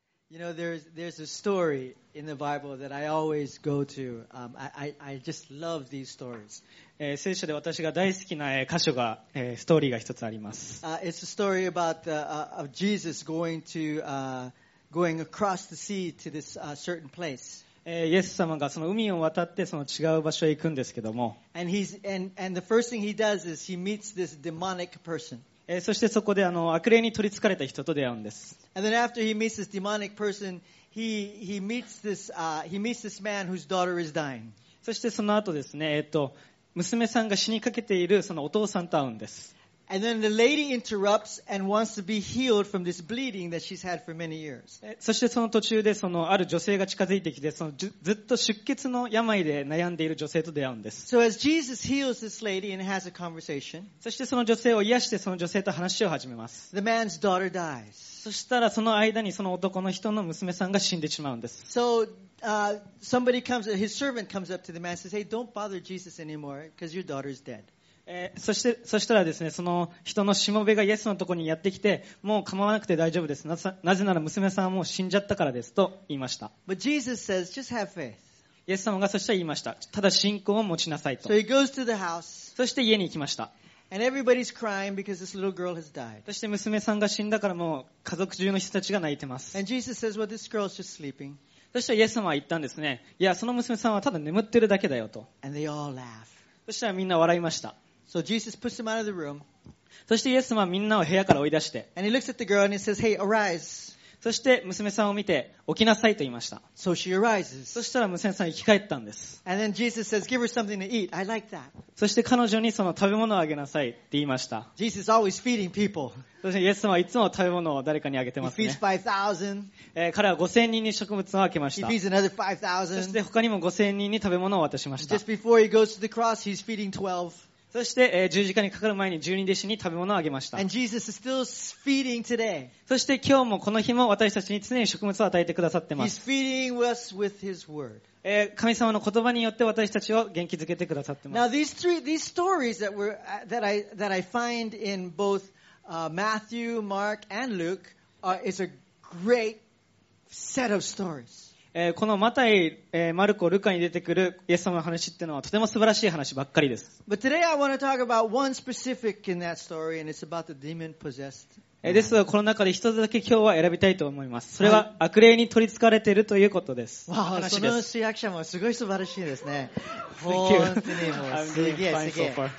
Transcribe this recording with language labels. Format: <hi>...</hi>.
<en>You know, there's a story in the Bible that I always go to. I just love these stories.</en> <ja>聖書で私が大好きな箇所が、ストーリーが一つあります。</ja> <en>It's a story about of Jesus going across the sea to this certain place.</en> <ja>イエス様がその海を渡ってその違う場所へ行くんですけども。</ja> <en>And the first thing he does is he meets this demonic person.</en> <ja>そしてそこで悪霊に取り憑かれた人と出会うんです。</ja> <en>And then after he meets this demonic person, he meets this man whose daughter is dying.</en> <ja>そしてその後ですね、娘さんが死にかけているそのお父さんと会うんです。</ja> <en>And then the lady interrupts and wants to be healed from this bleeding that she's had for many years.</en> <ja>そしてその途中でそのある女性が近づいてきて、そのずっと出血の病で悩んでいる女性と出会うんです。</ja> <en>So as Jesus heals this lady and has a conversation,</en> <ja>そしてその女性を癒してその女性と話を始めます。</ja> <en>The man's daughter dies.</en> <ja>そしたらその間にその男の人の娘さんが死んでしまうんです。</ja> <en>So, somebody comes, his servant comes up to the man and says, hey, don't bother Jesus anymore because your daughter's dead.</en> <ja>そしたらですね、その人のしもべがイエスのところにやってきて、もう構わなくて大丈夫です。なぜなら娘さんはもう死んじゃったからですと言いました。</ja> <en>But Jesus says, just have faith.</en> <ja>イエス様がそしたら言いました。ただ信仰を持ちなさいと。</ja> <en>So he goes to the house.</en> <ja>そして家に行きました。</ja> <en>And everybody's crying because this little girl has died.</en> <ja>そして娘さんが死んだからもう家族中の人たちが泣いてます。</ja> <en>And Jesus says, well, this girl's just sleeping.</en> <ja>そしたらイエス様は言ったんですね。いや、その娘さんはただ眠ってるだけだよと。</ja> <en>And they all laugh.</en> <ja>そしたらみんな笑いました。</ja> <en>So Jesus puts him out of the room.</en> <ja>そしてイエス様はみんなを部屋から追い出して。</ja> <en>And he looks at the girl and he says, "Hey, arise."</en> <ja>そして娘さんを見て、起きなさいと言いました。</ja> <en>So she arises.</en> <ja>そしたら娘さん生き返ったんです。</ja> <en>And then Jesus says, "Give her something to eat. I like that."</en> <ja>そして彼女にその食べ物をあげなさいって言いました。</ja> <en>Jesus is always feeding people.</en> <ja>そしてイエス様はいつも食べ物を誰かにあげてますね。</ja> <en>He feeds 5,000.</en> <ja>彼は5,000人に食物をあげました。</ja> <en>He feeds another 5,000.</en> <ja>そして他にも5,000人に食べ物を渡しました。</ja> <en>Just before he goes to the cross, he's feeding 12.</en> <ja>そして、十字架にかかる前に十二弟子に食べ物をあげました。</ja> <en>And Jesus is still feeding today.</en> <ja>そして今日もこの日も私たちに常に食物を与えてくださってます。</ja> <en>He's feeding us with his word.</en> <ja>神様の言葉によって私たちを元気づけてくださってます。</ja> <en>Now these three, these stories that were, that I find in both, Matthew, Mark, and Luke, is a great set of stories.</en> <ja>このマタイ、マルコ、ルカに出てくるイエス様の話っていうのはとても素晴らしい話ばっかりです。</ja> <en>But today I want to talk about one specific in that story, and it's about the demon possessed.</en> <ja>ですがこの中で一つだけ今日は選びたいと思います。それは悪霊に取り憑かれているということです。わあ、その主役者もすごい素晴らしいですね。本当にもうすげえすげえ。</ja>